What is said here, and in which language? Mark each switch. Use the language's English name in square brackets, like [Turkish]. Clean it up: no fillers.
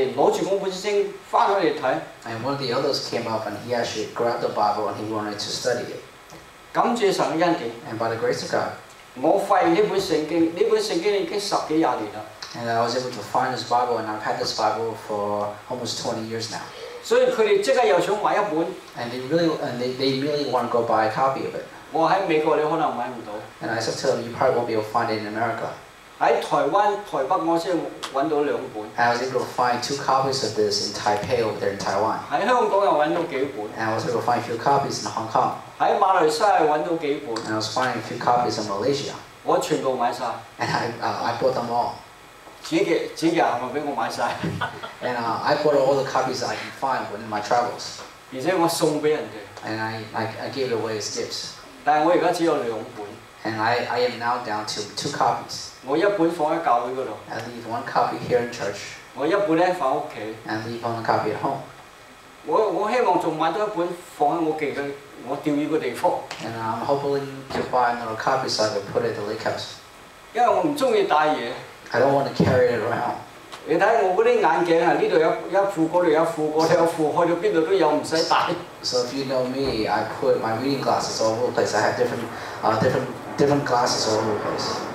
[Chinese] 他們拿著那本聖經回來看。 [English] And one of the elders came up and he actually grabbed the Bible and he wanted to study it. [Chinese] 感謝神的恩典。 [English] And by the grace of God, [Chinese] 我發現這本聖經已經十多二十年了。 [English] And I was able to find this Bible and I've had this Bible for almost 20 years now. [Chinese] 所以他們立即又想買一本。 [English] And they really want to go buy a copy of it. [Chinese] 我在美國你可能買不到。 [English] And I said to them, you probably won't be able to find it in America. [Chinese] 在台灣台北我才找到兩本。 [English] I was able to find two copies of this in Taipei over there in Taiwan. [Chinese] 在香港又找到幾本。 [English] And I was able to find a few copies in Hong Kong. [Chinese] 在馬來西亞找到幾本。 [English] And I was finding a few copies in Malaysia. [Chinese] 我全部買了。 [English] And I bought them all. [Chinese] 幾日是不是被我買了。 [English] And I bought all the copies I can find within my travels. [Chinese] 而且我送給別人的。 [English] And I gave it away as gifts. [Chinese] 但我現在只有兩本。 [English] And I am now down to two copies. [Chinese] 我一本放在教會那裡。 [English] I leave one copy here in church. [Chinese] 我一本放在家裡。 [English] And leave one copy at home. [Chinese] 我希望還買多一本放在我記得我釣魚的地方。 [English] And I'm hoping to buy another copy so I can put it at the lake house. [Chinese] 因為我不喜歡帶東西。 [English] I don't want to carry it around. [Chinese] 你看我那些眼鏡，這裡有一副，那裡有一副，那裡有一副，開到哪裡都有，不用帶。 [English] So if you know me, I put my reading glasses all over the place. I have different glasses all over the place.